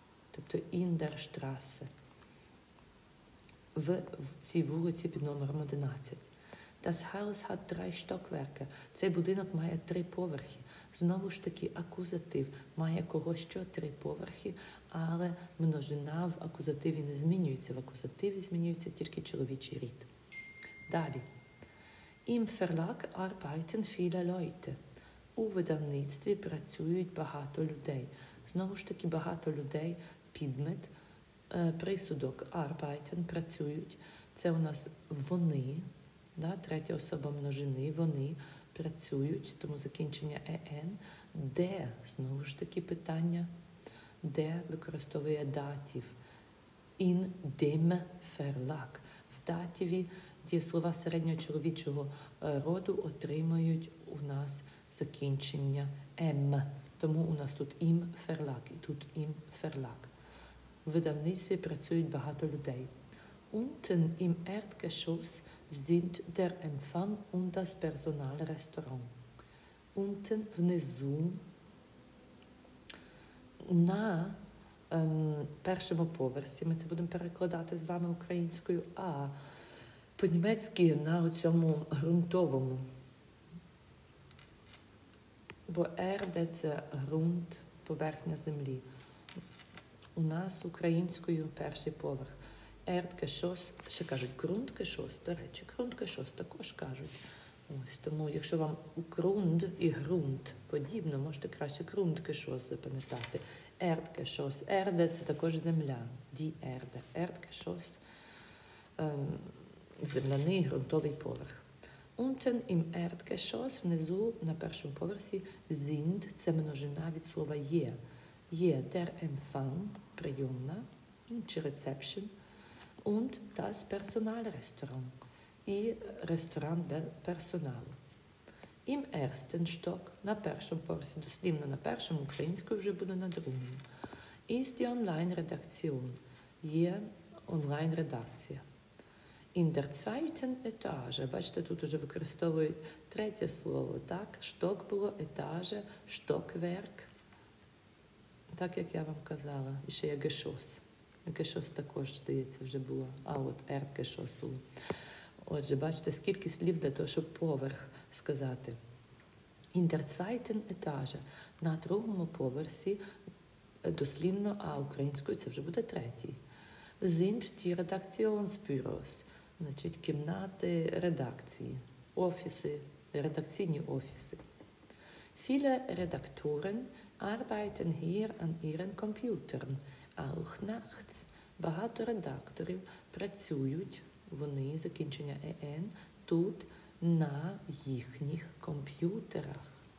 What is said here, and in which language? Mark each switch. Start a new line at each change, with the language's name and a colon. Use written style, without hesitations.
Ukrainian: Тобто
German: «in der Straße»
Ukrainian: в цій вулиці під номером 11.
German: «Das Haus hat drei Stockwerke»
Ukrainian: – цей будинок має три поверхи. знову ж таки акузатив має кого що три поверхи, але множина в акузативі не змінюється, в акузативі змінюється тільки чоловічий рід. Далі.
German: Im Verlag arbeiten viele Leute.
Ukrainian: У видавництві працюють багато людей. Знову ж таки, багато людей, підмет, присудок, arbeiten, працюють. Це у нас вони, да? Третя особа множини, вони працюють, тому закінчення «ен». Де, знову ж таки, питання, де використовує датів.
German: In dem Verlag.
Ukrainian: В дативі дієслова середнього чоловічого роду отримують у нас закінчення «м». Тому у нас тут «im Verlag» і тут «im Verlag». У видавництві працюють багато людей.
German: Unten im Erdgeschoss sind der Empfang und das Personalrestaurant.
Ukrainian: Unten внизу, на першому поверсі, ми це будемо перекладати з вами українською, а по-німецьки на цьому ґрунтовому. Бо «Erde» – це ґрунт, поверхня землі. У нас українською перший поверх. Erdgeschoss, ще кажуть Grundgeschoss, до речі, Grundgeschoss також кажуть. Ось, тому якщо вам Grund і Grund подібно, можете краще Grundgeschoss запам'ятати. Erdgeschoss, Erde – це також земля, die Erde. Erdgeschoss – земляний ґрунтовий поверх.
German: Unten im Erdgeschoss,
Ukrainian: внизу на першому поверсі, sind – це множина від слова є. Є der Empfang, прийомна, чи reception.
German: Und das Personalrestaurant.
Ukrainian: І ресторан для персоналу.
German: Im ersten Stock,
Ukrainian: на першому поверсі, дослівно на першому, українською вже буде на другому,
German: ist die Online-Redaktion.
Ukrainian: Є онлайн-редакція.
German: In der zweiten Etage,
Ukrainian: бачите, тут уже використовують третє слово, так? Stock було, Etage, Stockwerk, так, як я вам казала, і ще є Geschoss. Geschoss також, здається, вже було. А от Erdgeschoss було. Отже, бачите, скільки слів для того, щоб поверх сказати.
German: In der zweiten Etage.
Ukrainian: На другому поверсі, дослівно, а українською це вже буде третій.
German: Sind die Redaktionsbüros.
Ukrainian: Значить, кімнати редакції. Офіси, редакційні офіси.
German: Viele Redaktoren arbeiten hier an ihren Computern. Auch nachts.
Ukrainian: Багато редакторів працюють, вони, закінчення «ен», тут, на їхніх комп'ютерах.